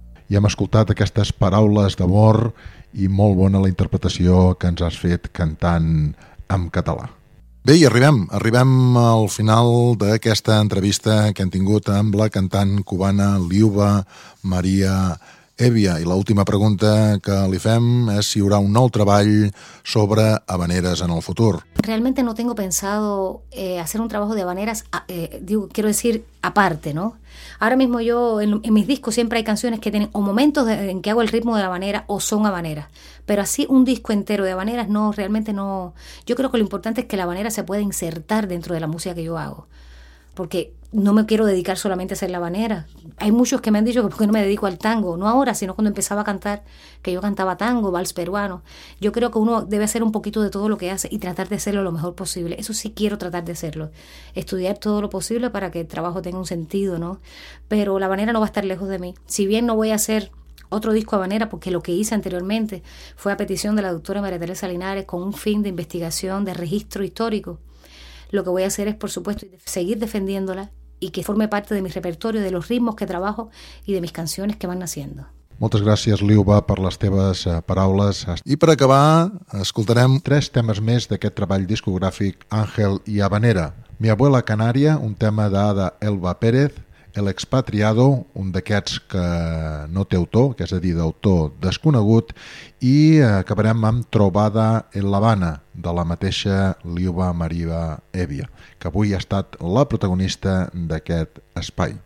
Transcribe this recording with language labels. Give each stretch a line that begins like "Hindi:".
Catalan: I hem escoltat aquestes paraules d'amor i molt bona la interpretació que ens has fet cantant en català. Bé, i arribem al final d'aquesta entrevista que hem tingut amb la cantant cubana Liuba Maria Hevia. I l'última pregunta que li fem és si hi haurà un nou treball sobre habaneres en el futur.
Spanish: Realmente no tengo pensado hacer un trabajo de habaneras, quiero decir, aparte, ¿no? Ahora mismo yo, en mis discos siempre hay canciones que tienen o momentos en que hago el ritmo de la habanera o son habaneras. Pero así un disco entero de habaneras no, realmente no. Yo creo que lo importante es que la habanera se pueda insertar dentro de la música que yo hago. Porque no me quiero dedicar solamente a ser la habanera. Hay muchos que me han dicho que por qué no me dedico al tango. No ahora, sino cuando empezaba a cantar, que yo cantaba tango, vals peruano. Yo creo que uno debe hacer un poquito de todo lo que hace y tratar de hacerlo lo mejor posible. Eso sí quiero tratar de hacerlo. Estudiar todo lo posible para que el trabajo tenga un sentido, ¿no? Pero la habanera no va a estar lejos de mí. Si bien no voy a hacer otro disco habanera, porque lo que hice anteriormente fue a petición de la doctora María Teresa Linares con un fin de investigación, de registro histórico. Lo que voy a hacer es, por supuesto, seguir defendiéndola y que forme parte de mi repertorio, de los ritmos que trabajo y de mis canciones que van naciendo.
Catalan: Moltes gràcies, Liuba, per les teves paraules. I per acabar, escoltarem 3 temes més d'aquest treball discogràfic Àngel i Habanera. Mi abuela Canària, un tema d'Ada Elba Pérez, El expatriado, un d'aquests que no té autor, que és a dir, d'autor desconegut, i acabarem amb Trobada en l'Havana, de la mateixa Liuba Maria Hevia, que avui ha estat la protagonista d'aquest espai.